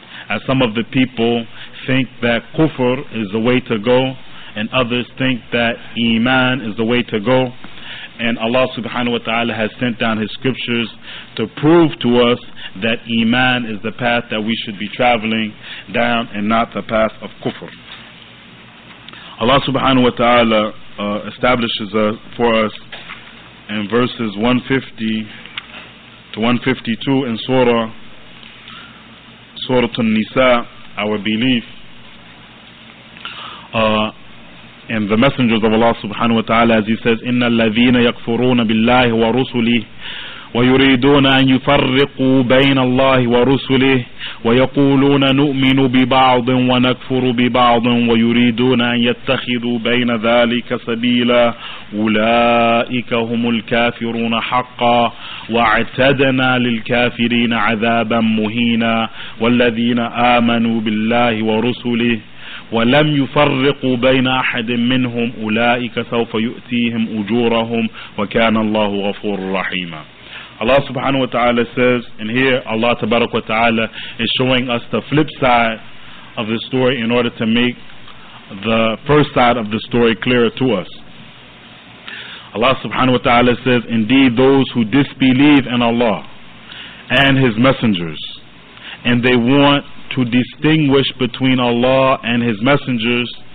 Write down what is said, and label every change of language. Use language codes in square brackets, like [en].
[en] As some of the people think that kufr is the way to go, and others think that iman is the way to go, and Allah subhanahu wa ta'ala has sent down His scriptures to prove to us that iman is the path that we should be traveling down and not the path of kufr. Allah subhanahu wa ta'ala establishes for us in verses 150 to 152 in Surah An-Nisa, our belief in the messengers of Allah subhanahu wa ta'ala, as He says, [ar] إِنَّ الَّذِينَ يَكْفُرُونَ بِاللَّهِ وَرُسُلِهِ وَيُرِيدُونَ أَنْ يُفَرِّقُوا بَيْنَ اللَّهِ وَرُسُلِهِ وَيَقُولُونَ نُؤْمِنُ بِبَعْضٍ وَنَكْفُرُ بِبَعْضٍ وَيُرِيدُونَ أَنْ يَتَّخِذُوا بَيْنَ ذَلِكَ سَبِيلًا أُولَئِكَ هُمُ الْكَافِرُونَ حَقًّا وَاعْتَدْنَا لِلْكَافِرِينَ عَذَابًا مُهِينًا وَالَّذِينَ آمَنُوا بِاللَّهِ وَرُسُلِهِ وَلَمْ يُفَرِّقُوا بَيْنَ أَحَدٍ مِّنْهُمْ أُولَئِكَ سَوْفَ يُؤْتِيهِمْ أُجُورَهُمْ وَكَانَ اللَّهُ غَفُورًا رَّحِيمًا. [en] Allah subhanahu wa ta'ala says, and here Allah tabarak wa ta'ala is showing us the flip side of the story in order to make the first side of the story clearer to us. Allah subhanahu wa ta'ala says, indeed those who disbelieve in Allah and His messengers, and they want to distinguish between Allah and His messengers,